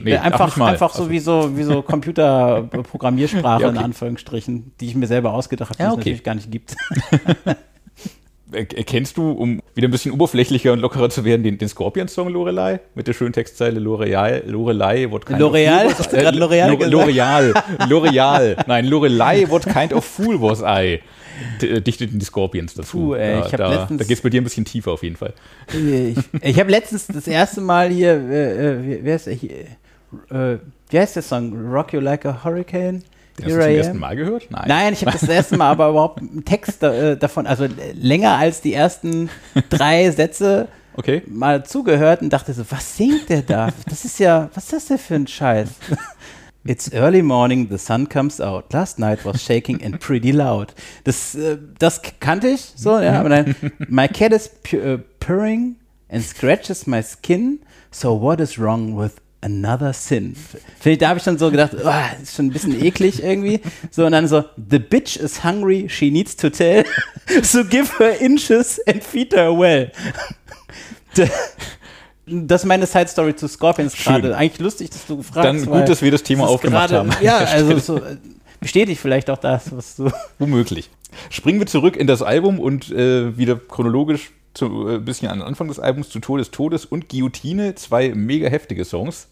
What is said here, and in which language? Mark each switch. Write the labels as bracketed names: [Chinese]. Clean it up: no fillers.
[German] Nee, einfach so wie so Computerprogrammiersprache, ja, okay, in Anführungsstrichen, die ich mir selber ausgedacht habe, die es natürlich gar nicht gibt. Erkennst du, um wieder ein bisschen oberflächlicher und lockerer zu werden, den Scorpions-Song Lorelei mit der schönen Textzeile Lorelei, [English] what kind L'Oreal? Of fool was I? L'Oreal? L'Oreal. L'Oreal. [German] Nein, [English] Lorelei, what kind of fool was I? [German] Dichteten die Scorpions dazu. Puh, ey, da geht es bei dir ein bisschen tiefer auf jeden Fall. Ich habe letztens das erste Mal hier, wie heißt der Song? Rock You Like a Hurricane? Den hast du zum ersten Mal gehört? Nein, ich habe das erste Mal aber überhaupt einen Text davon, also länger als die ersten drei Sätze mal zugehört und dachte so, was singt der da? Das ist ja, was ist das denn für ein Scheiß? [English] It's early morning, the sun comes out. Last night was shaking and pretty loud. [German] Das kannte ich so, ja, aber dann, [English] my cat is purring and scratches my skin, so what is wrong with another sin. [German] Vielleicht, da habe ich dann so gedacht, oh, das ist schon ein bisschen eklig irgendwie. [English] So, [German] und dann so, [English] the bitch is hungry, she needs to tell, so give her inches and feed her well. [German] Das ist meine Side-Story zu Scorpions gerade. Eigentlich lustig, dass du fragst. Dann gut, dass wir das Thema aufgemacht haben. Ja, also so, bestätigt vielleicht auch das, was du. Womöglich. Springen wir zurück in das Album und wieder chronologisch ein bisschen an den Anfang des Albums, zu Tod des Todes und Guillotine, zwei mega heftige Songs.